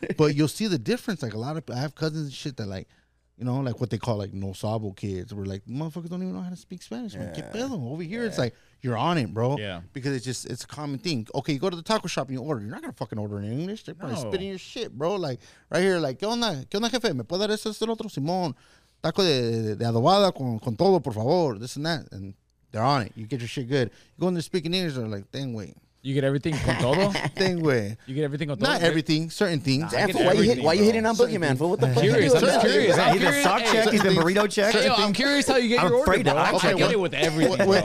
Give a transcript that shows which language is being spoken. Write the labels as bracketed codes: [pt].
[en] But you'll see the difference. Like, a lot of, I have cousins and shit that, like, you know, like what they call like no sabo kids. We're like, motherfuckers don't even know how to speak Spanish. Yeah. Man, [es] qué pedo. [en] Over here, it's like, you're on it, bro. Yeah. Because it's a common thing. Okay, you go to the taco shop and you order. You're not going to fucking order in English. They're probably spitting your shit, bro. Like, right here, like, [es] ¿Qué onda, jefe? ¿Me puede dar eso del otro Simón? Taco de adobada con todo, por favor. [en] This and that. And they're on it. You get your shit good. You go in there speaking English, they're like, dang way. You get everything [es] con todo? [en] Dang way. You get everything [es] con todo? [en] Not everything. Certain things. Nah, fool, why you hitting on Boogieman, fool? What the fuck? I'm curious. He's a sock check. He's a burrito check. Hey, yo, I'm curious how you get your order, bro. Okay, I get it with everything. Well,